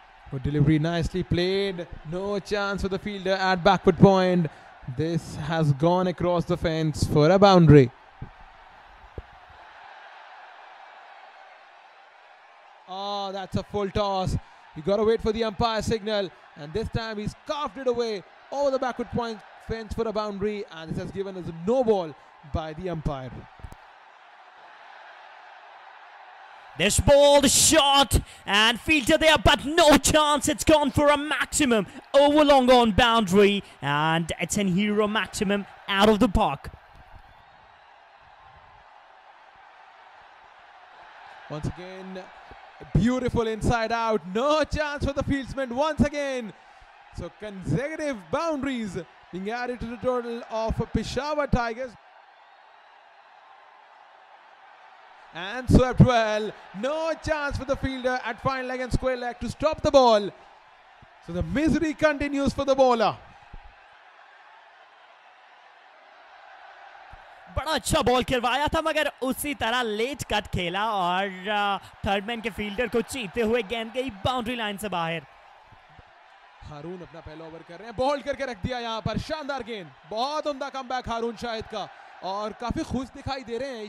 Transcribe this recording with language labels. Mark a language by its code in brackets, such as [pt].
[en] Good delivery nicely played no chance for the fielder at backward point this has gone across the fence for a boundary oh that's a full toss you got to wait for the umpire signal and this time he scuffed it away over the backward point fence for a boundary and this has given us no ball by the umpire This ball shot and fielder there, but no chance. It's gone for a maximum over long on boundary, and it's an hero maximum out of the park. Once again, beautiful inside out. No chance for the fieldsman once again. So consecutive boundaries being added to the total of Peshawar Tigers. And swept well. No chance for the fielder at fine leg and square leg to stop the ball. So the misery continues for the bowler. [hi] बड़ा अच्छा ball खिलवाया था मगर उसी तरह late cut खेला और third man के fielder को चीते हुए गेंद गई बाउंड्री लाइन से बाहर. हारून अपना पहला ओवर कर रहे हैं, बोल्ड करके रख दिया यहां पर. शानदार गेंद, बहुत उम्दा कमबैक हारून शाहिद का और काफी खुश दिखाई दे रहे हैं.